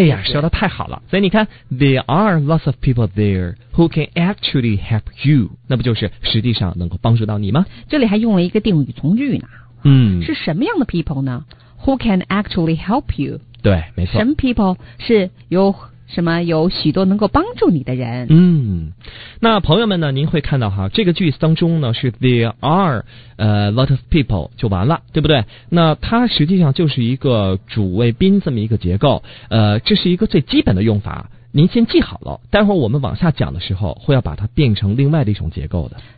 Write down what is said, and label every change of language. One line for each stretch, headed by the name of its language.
English: 哎呀，说的太好了。所以你看，There are lots of people there who can actually help you。
Chinese: 那不就是实际上能够帮助到你吗？这里还用了一个定语从句呢。嗯。是什么样的 people 呢？ Who can actually help you? 对，没错。什么 people 是有什么有许多能够帮助你的人。嗯，那朋友们呢，您会看到哈，这个句子当中呢是 there are lot of people 就完了，对不对？那它实际上就是一个主谓宾这么一个结构，这是一个最基本的用法，您先记好了，待会儿我们往下讲的时候会要把它变成另外的一种结构的。